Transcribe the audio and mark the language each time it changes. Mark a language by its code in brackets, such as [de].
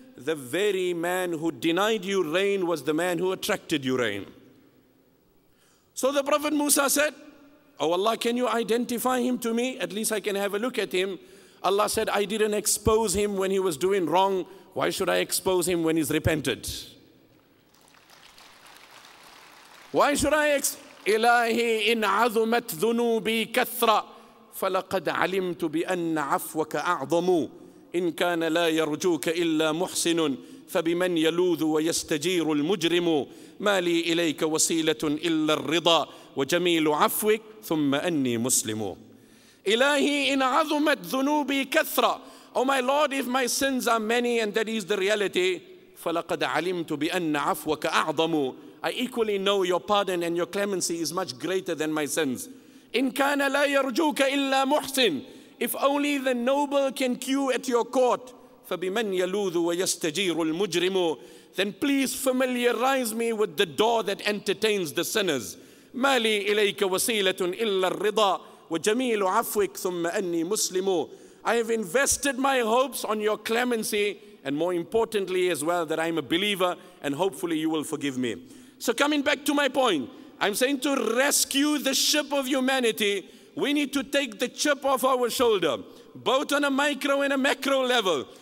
[en] The very man who denied you rain was the man who attracted you rain. So the Prophet Musa said, Oh Allah, can you identify him to me? At least I can have a look at him. Allah said, I didn't expose him when he was doing wrong. Why should I expose him when he's repented? Why should I expose? [ar] إلهي إن عظمت ذنوبي كثرة فلقد علمت بأن عفوك أعظم إن كان لا يرجوك إلا محسن فبمن يلوذ ويستجير المجرم ما لي إليك وسيلة إلا الرضا وجميل عفوك ثم أني مسلم. إلهي إن عظمت ذنوبي كثرة. [en] Oh my Lord, if my sins are many and that is the reality, [ar] فلقد علمت بأن عفوك أعظم. [en] I equally know your pardon and your clemency is much greater than my sins. [ar] إن كان لا يرجوك إلا محسن. [en] If only the noble can queue at your court. [ar] فبمن يلوذ ويستجير المجرم. [en] Then please familiarize me with the door that entertains the sinners. [ar] ما لي إليك وسيلة إلا الرضا وجميل عفوك ثم أني مسلم. [en] I have invested my hopes on your clemency and more importantly as well that I'm a believer and hopefully you will forgive me. So coming back to my point, I'm saying to rescue the ship of humanity, we need to take the chip off our shoulder, both on a micro and a macro level.